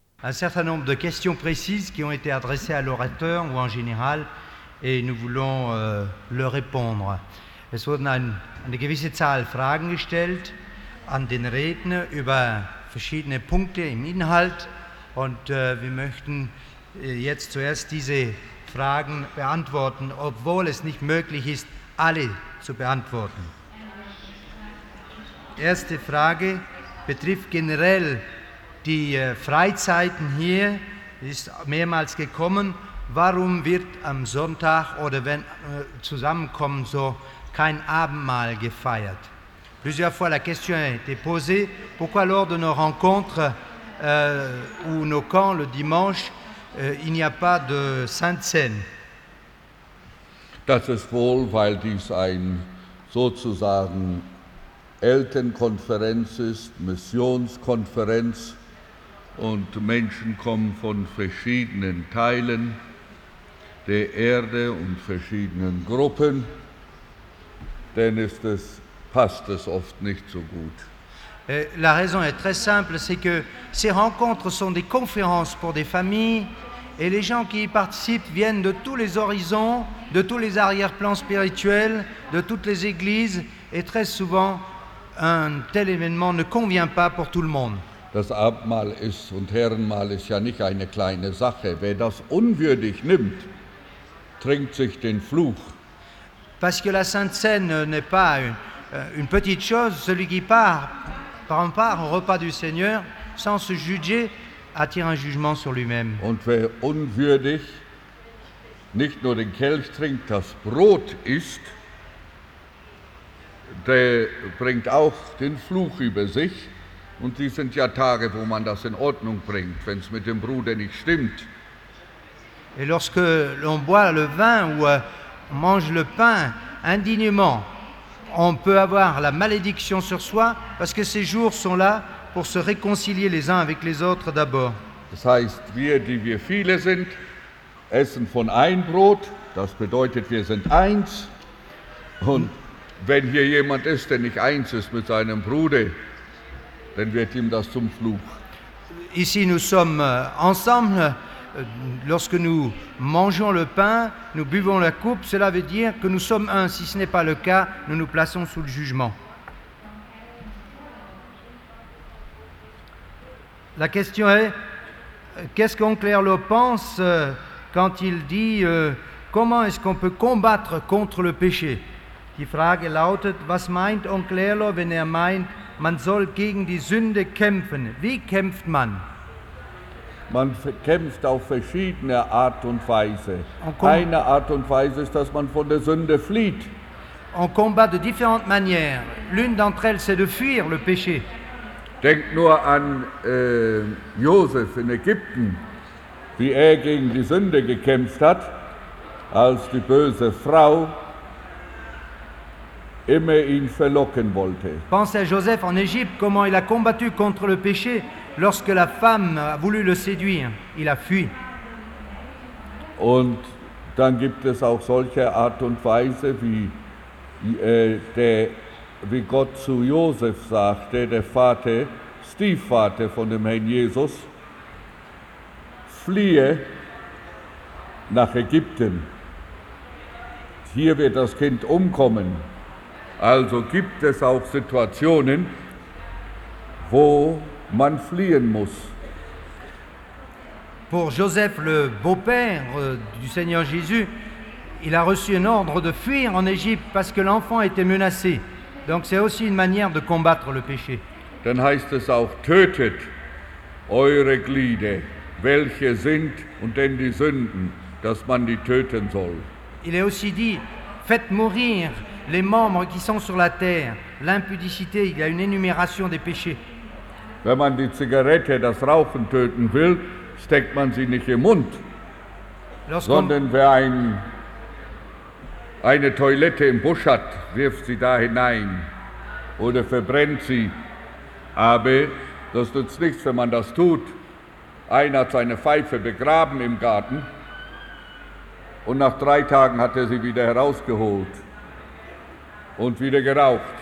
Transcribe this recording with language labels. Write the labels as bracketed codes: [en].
[fr] un certain nombre de questions précises qui ont été adressées à l'orateur ou en général, et nous voulons leur répondre. [de] Es wurden eine gewisse Zahl Fragen gestellt an den Redner über verschiedene Punkte im Inhalt, und wir möchten jetzt zuerst diese Fragen beantworten, obwohl es nicht möglich ist, alle zu beantworten. Erste Frage betrifft generell die Freizeiten hier, ist mehrmals gekommen. Warum wird am Sonntag oder wenn zusammenkommen so kein Abendmahl gefeiert? [fr] Plusieurs fois la question a été posée, pourquoi lors de nos rencontres ou nos camps le dimanche, il n'y a pas de Sainte-Cène? [de] Das ist wohl, weil dies ein sozusagen Eltern-Konferenz ist, Missionskonferenz, und Menschen kommen von verschiedenen Teilen der Erde und verschiedenen Gruppen, dann ist es, passt es oft nicht so gut. [fr] La raison est très simple, c'est que ces rencontres sont des conférences pour des familles, et les gens qui y participent viennent de tous les horizons, de tous les arrière-plans spirituels, de toutes les églises, et très souvent, un tel événement ne convient pas pour tout le monde. [de] Das Abendmahl ist und Herrenmahl ist ja nicht eine kleine Sache. Wer das unwürdig nimmt, trinkt sich den Fluch. [fr] Parce que la Sainte Cène n'est pas une petite chose, celui qui prend part au repas du Seigneur sans se juger attire un jugement sur lui-même. [de] Und wer unwürdig nicht nur den Kelch trinkt, das Brot isst, der bringt auch den Fluch über sich. Und dies sind ja Tage, wo man das in Ordnung bringt, wenn es mit dem Bruder nicht stimmt. [fr] Et lorsque l'on boit le vin ou mange le pain indignement, on peut avoir la malédiction sur soi, parce que ces jours sont là pour se réconcilier les uns avec les autres d'abord. [de] Das heißt, wir, die wir viele sind, essen von ein Brot, das bedeutet, wir sind eins. Und wenn hier jemand ist, der nicht eins ist mit seinem Bruder, dann wird ihm das zum Fluch. [fr] Ici nous sommes ensemble. Lorsque nous mangeons le pain, nous buvons la coupe, cela veut dire que nous sommes un. Si ce n'est pas le cas, nous nous plaçons sous le jugement. La question est, qu'est-ce qu'Oncle Erlo pense quand il dit comment est-ce qu'on peut combattre contre le péché? [de] Die Frage lautet, was meint Onkel Erlo, wenn meint, man soll gegen die Sünde kämpfen? Wie kämpft man? Man kämpft auf verschiedene Art und Weise. Eine Art und Weise ist, dass man von der Sünde flieht. [fr] On combat de différentes manières. L'une d'entre elles, c'est de fuir le péché. [de] Denk nur an Josef in Ägypten, wie er gegen die Sünde gekämpft hat, als die böse Frau immer ihn verlocken wollte. [fr] Pense à Joseph en Égypte, comment il a combattu contre le péché lorsque la femme a voulu le séduire, il a fui. [de] Und dann gibt es auch solche Art und Weise, wie Gott zu Josef sagte, der Vater, Stiefvater von dem Herrn Jesus, fliehe nach Ägypten. Hier wird das Kind umkommen. Also gibt es auch Situationen, wo man fliehen muss. [fr] Pour Joseph, le beau-père du Seigneur Jésus, il a reçu un ordre de fuir en Égypte parce que l'enfant était menacé. Donc c'est aussi une manière de combattre le péché. [de] Dann heißt es auch, tötet eure Glieder, welche sind, und denn die Sünden, dass man die töten soll. [fr] Il est aussi dit, faites mourir les membres qui sont sur la terre, l'impudicité, il y a une énumération des péchés. [de] Wenn man die Zigarette, das Rauchen töten will, steckt man sie nicht im Mund, sondern wer eine Toilette im Busch hat, wirft sie da hinein oder verbrennt sie. Aber das nützt nichts, wenn man das tut. Einer hat seine Pfeife begraben im Garten und nach drei Tagen hat er sie wieder herausgeholt und wieder geraucht.